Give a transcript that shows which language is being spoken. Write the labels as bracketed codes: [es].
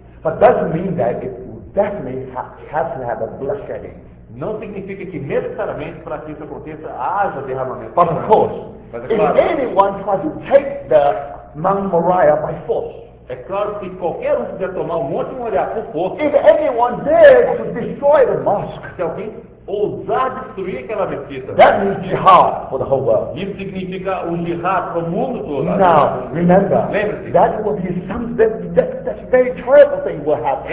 [en] But doesn't mean that it definitely has to have a bloodshedding. [pt] Não significa que necessariamente para que isso aconteça haja derramamento. [en] But of course. [pt] É claro, [en] if anyone tries to take the Mount Moriah by force, [pt] é claro que qualquer um quiser tomar o Monte Moriah por força, [en] if anyone dares to destroy the mosque, [pt] se alguém ousar destruir aquela mesquita, [en] that means jihad for the whole world. [pt] Isso significa um jihad para o mundo todo. [en] Now, remember, [pt] lembre-se, [en] that would be something that's very terrible thing will happen.